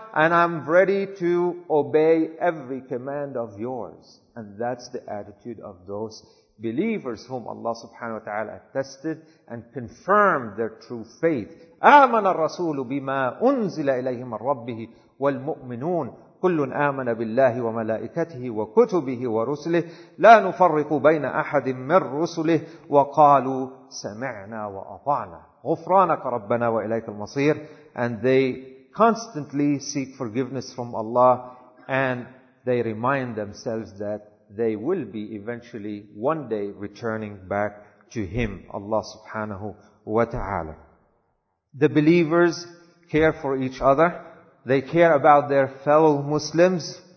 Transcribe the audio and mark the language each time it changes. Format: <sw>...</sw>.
<en>And I'm ready to obey every command of yours. And that's the attitude of those believers whom Allah subhanahu wa ta'ala attested and confirmed their true faith.</en> <ar>آمَنَ الرَّسُولُ بِمَا أُنزِلَ إِلَيْهِمَ الرَّبِّهِ وَالْمُؤْمِنُونَ كل آمن بالله وملائكته وكتبه ورسله لا نفرق بين أحد من رسله وقالوا سمعنا وأطعنا غفرانك ربنا وإليك المصير.</ar> <en>And they constantly seek forgiveness from Allah and they remind themselves that they will be eventually one day returning back to Him, Allah subhanahu wa ta'ala. The believers care for each other. They care about their fellow Muslims.</en>